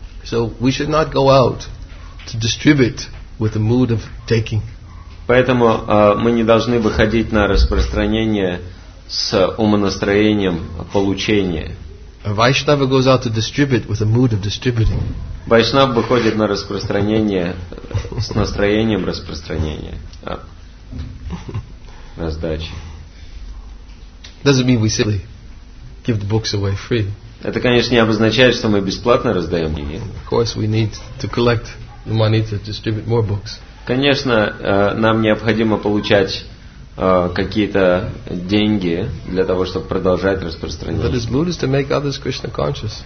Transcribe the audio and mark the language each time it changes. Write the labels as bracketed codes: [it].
[en] So we should not go out to distribute with a mood of taking. [ru] Поэтому мы не должны выходить на распространение с умонастроением получения. [en] A Vaishnava goes out to distribute with a mood of distributing. [ru] Vaishnava выходит на распространение с настроением распространения. Раздачи. [en] Doesn't mean we simply give the books away free. [ru] Это, конечно, не обозначает, что мы бесплатно раздаем книги. [en] Of course, we need to collect the money to distribute more books. [ru] Конечно, нам необходимо получать какие-то деньги для того, чтобы продолжать распространение.